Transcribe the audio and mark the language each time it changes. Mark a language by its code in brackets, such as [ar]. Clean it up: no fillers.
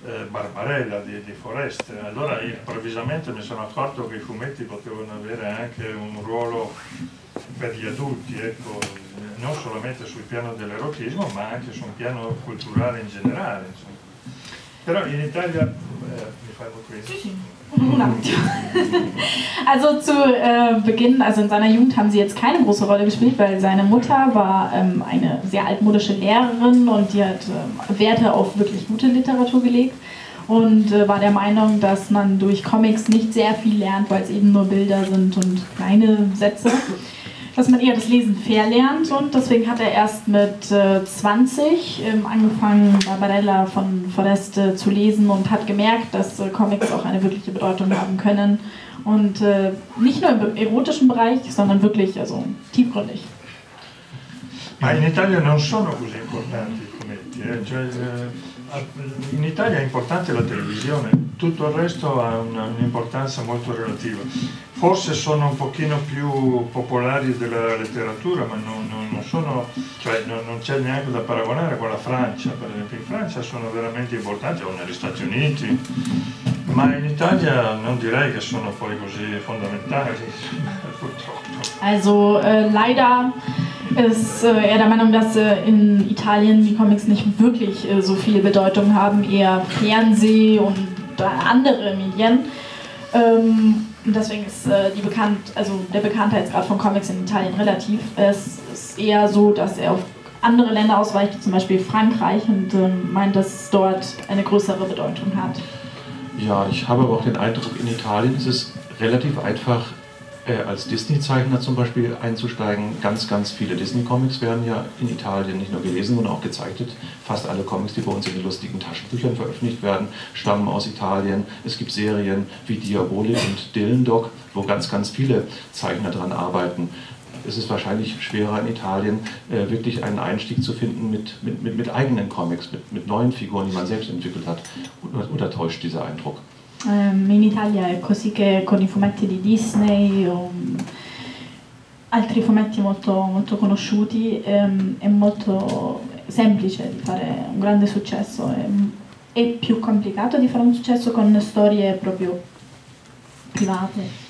[it] Barbarella di Foreste. Allora improvvisamente mi sono accorto che i fumetti potevano avere anche un ruolo per gli adulti, ecco, non solamente sul piano dell'erotismo, ma anche su un piano culturale in generale. Insomma. Però in Italia mi fermo qui. Sì, sì. [de] Also zu Beginn, also in seiner Jugend haben sie jetzt keine große Rolle gespielt, weil seine Mutter war eine sehr altmodische Lehrerin und die hat Werte auf wirklich gute Literatur gelegt und war der Meinung, dass man durch Comics nicht sehr viel lernt, weil es eben nur Bilder sind und kleine Sätze, dass man eher das Lesen verlernt und deswegen hat er erst mit 20 angefangen, Barbarella von Foreste zu lesen und hat gemerkt, dass Comics auch eine wirkliche Bedeutung haben können und nicht nur im erotischen Bereich, sondern wirklich, also tiefgründig. [it] Ma in Italia non sono così importanti i fumetti, cioè, in Italia è importante la televisione, tutto il resto ha un'importanza molto relativa. Forse sono un pochino più popolari della letteratura, ma non sono, cioè, non c'è neanche da paragonare con la Francia, per esempio in Francia sono veramente importanti, o negli Stati Uniti, ma in Italia non direi che sono poi così fondamentali, purtroppo. [de] Also, leider ist er der Meinung, dass in Italien die Comics nicht wirklich so viel Bedeutung haben, eher Fernseh und andere Medien. Deswegen ist der Bekanntheitsgrad von Comics in Italien relativ. Es ist eher so, dass er auf andere Länder ausweicht, zum Beispiel Frankreich, und meint, dass es dort eine größere Bedeutung hat. Ja, ich habe aber auch den Eindruck, in Italien ist es relativ einfach, als Disney-Zeichner zum Beispiel einzusteigen. Ganz, ganz viele Disney-Comics werden ja in Italien nicht nur gelesen, sondern auch gezeichnet. Fast alle Comics, die bei uns in den lustigen Taschenbüchern veröffentlicht werden, stammen aus Italien. Es gibt Serien wie Diabolik und Dillendog, wo ganz, ganz viele Zeichner dran arbeiten. Es ist wahrscheinlich schwerer in Italien, wirklich einen Einstieg zu finden mit eigenen Comics, mit neuen Figuren, die man selbst entwickelt hat. Oder täuscht dieser Eindruck? [it] In Italia è così che con i fumetti di Disney o altri fumetti molto, molto conosciuti è molto semplice di fare un grande successo, è più complicato di fare un successo con storie proprio private.